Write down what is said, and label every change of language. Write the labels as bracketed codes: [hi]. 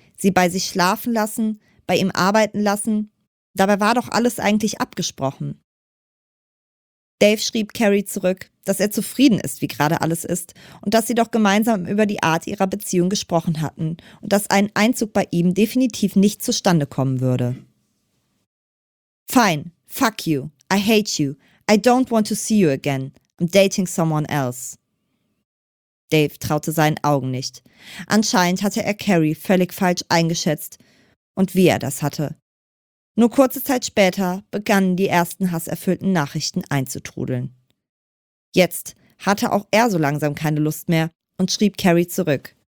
[de] Sie bei sich schlafen lassen? Bei ihm arbeiten lassen? Dabei war doch alles eigentlich abgesprochen. Dave schrieb Carrie zurück, dass er zufrieden ist, wie gerade alles ist und dass sie doch gemeinsam über die Art ihrer Beziehung gesprochen hatten und dass ein Einzug bei ihm definitiv nicht zustande kommen würde. [en] Fine, fuck you, I hate you, I don't want to see you again, I'm dating someone else. [de] Dave traute seinen Augen nicht. Anscheinend hatte er Carrie völlig falsch eingeschätzt und wie er das hatte. Nur kurze Zeit später begannen die ersten hasserfüllten Nachrichten einzutrudeln. Jetzt hatte auch er so langsam keine Lust mehr und schrieb Carrie zurück.